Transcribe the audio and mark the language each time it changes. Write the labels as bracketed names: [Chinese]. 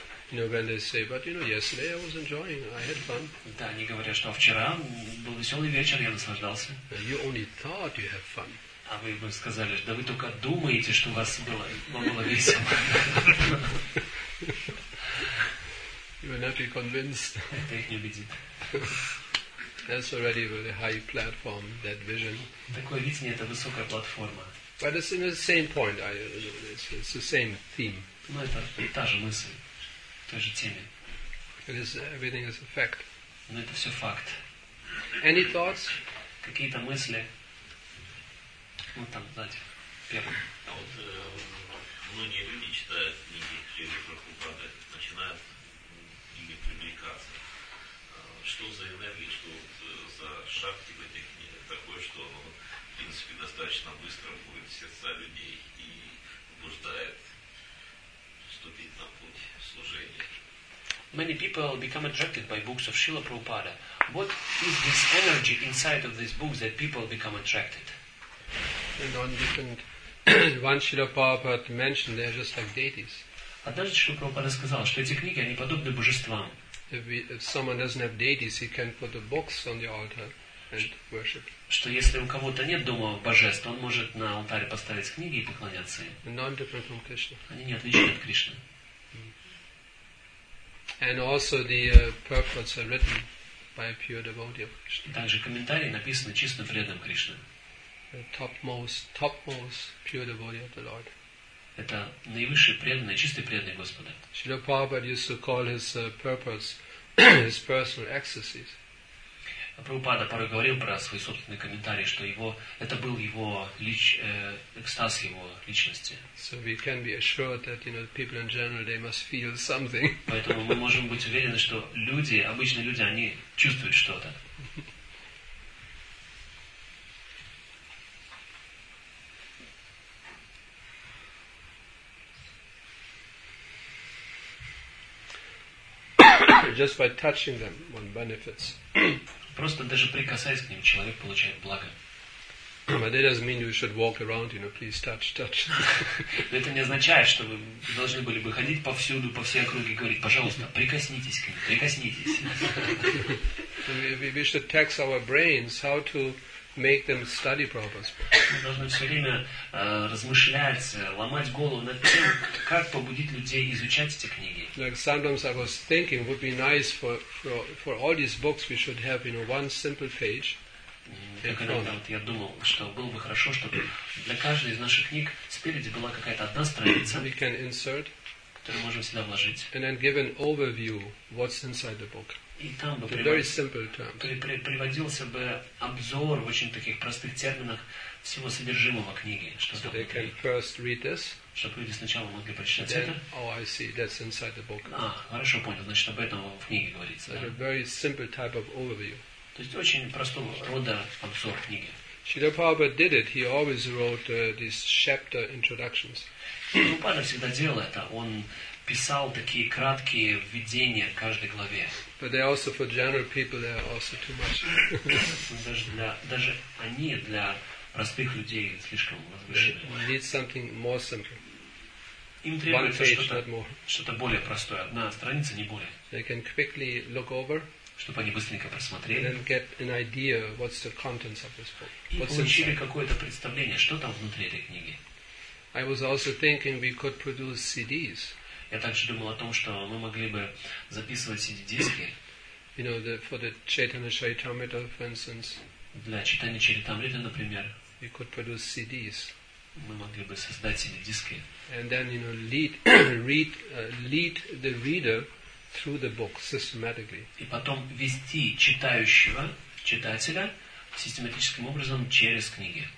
[English] You know, when they say, but you know, yesterday I was enjoying, I had fun. [Russian] Да, они говорят, что вчера был веселый вечер, я наслаждался. [English] You only thought you had fun. [Russian] А вы бы сказали, да вы только думаете, что у вас было, было весело. [English] You will not be convinced. [Russian] Это их не убедит. [English] That's already a very high platform, that vision. [Russian] Такое видение — это высокая платформа. [English] But it's in the same point. It's the same theme. [Russian] Но это та же мысль. [English] It is everything is a fact. [Russian] Но это все факт. [English] Any thoughts? [Russian] Какие-то мысли? Ну там, знаете, первым. А вот многие люди читают книги Шрилы Прабхупады, начинают ими привлекаться. Что за энергия, что за шахти в этих книгах такое, что оно, в принципе, достаточно быстро будет в сердца людей и побуждает вступить на путь служения. [English] Many people become attracted by books of Srila Prabhupada. What is this energy inside of these books that people become attracted? And on different one Srila Prabhupada mentioned they are just like deities. [Russian] Однажды Шрила Прабхупада сказал, что эти книги, они подобны божествам. [English] If someone doesn't have deities, he can put the books on the altar and worship. [Russian] Что если у кого-то нет дома божеств, он может на алтаре поставить книги и поклоняться им. [English] And non-different from Krishna. [Russian] Они не отличны от Кришны. [English] And also the purports are written by a pure devotee of Krishna. [Russian] Также комментарии написаны чистым преданным Кришны. [English] The topmost pure devotee of the Lord. [Russian] Это наивысший преданный, чистый преданный Господа. [English] Srila Prabhupada used to call his purports his personal ecstasies. [Russian] Прабхупада порой говорил про свои собственные комментарии, что его это был его экстаз его личности. [English] So we can be assured that, you know, people in general, they must feel something. [Russian] Поэтому мы можем быть уверены, что люди, обычные люди, они чувствуют что-то. [English] Just by touching them, one benefits. [Russian] Просто даже прикасаясь к ним, человек получает благо. [English] But that doesn't mean you should walk around, you know, please touch. [Russian] Но это не означает, что вы должны были бы ходить повсюду, по всей округе, и говорить, пожалуйста, прикоснитесь к ним, прикоснитесь. [English] We should tax our brains how to make them study properly. [Russian] Мы должны все время размышлять, ломать голову над тем, как побудить людей изучать эти книги. [English] Like sometimes I was thinking, it would be nice for all these books we should have, you know, one simple page. [Russian] Вот я думал, что было бы хорошо, чтобы для каждой из наших книг спереди была какая-то одна страница. [English] We can insert. [Russian] Которую можем сюда вложить. [English] And then give an overview what's inside the book. [Russian] И там бы приводился бы обзор в очень таких простых терминах всего содержимого книги, чтобы люди сначала могли прочитать [English] then, [Russian] это. [English] Oh, I see. That's inside the book. [Russian] А, хорошо понял. Значит, об этом в книге говорится. [English] Like [Russian] да? [English] A very simple type of overview. [Russian] То есть очень простого рода обзор книги. [English] Srila Prabhupada did it. He always wrote these chapter introductions. [Russian] Прабхупада всегда делал это. Он писал такие краткие введения к каждой главе. [English] But they also, for general people, they are also too much. [Russian] даже они для простых людей слишком возвышены. [English] We need something more simple. [Russian] Им требуется что-то более простое. Одна страница, не более. [English] They can quickly look over. [Russian] Чтобы они быстренько просмотрели. [English] And then get an idea what's the contents of this book. [Russian] И получили какое-то представление, что там внутри этой книги. [English] I was also thinking we could produce CDs. [Russian] Я также думал о том, что мы могли бы записывать CD-диски. [English] You know, for the Chaitanya Charitamrita, for instance. [Russian] для читания Чаритамриты, например, [English] we could produce CDs. [Russian] Мы могли бы создать себе диски. [English] And then, you know, lead the reader through the book systematically. [Russian] И потом вести читающего, читателя, систематическим образом через книги.